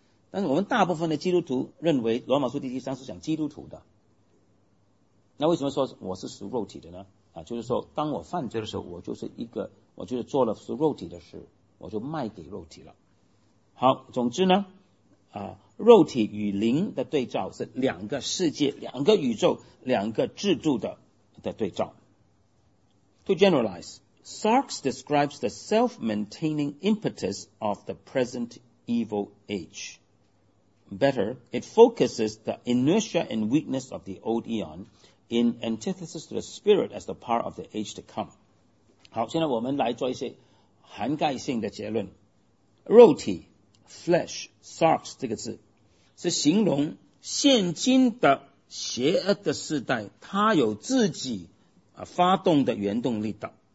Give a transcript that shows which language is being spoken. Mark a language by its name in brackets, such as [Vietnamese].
[Chinese] 但是我们大部分的基督徒认为罗马书第七章是讲基督徒的，那为什么说我是属肉体的呢就是说当我犯罪的时候，我就是一个，我就是做了属肉体的事，我就卖给肉体了。好，总之呢肉体与灵的对照是两个世界、两个宇宙、两个制度的对照。 [English] To generalize, Sarks describes the self-maintaining impetus of the present evil age. Better, it focuses the inertia and weakness of the old eon in antithesis to the spirit as the power of the age to come. [Chinese] 好，现在我们来做一些涵盖性的结论。肉体 flesh, sarx 这个字是形容现今的邪恶的时代，它有自己发动的原动力的。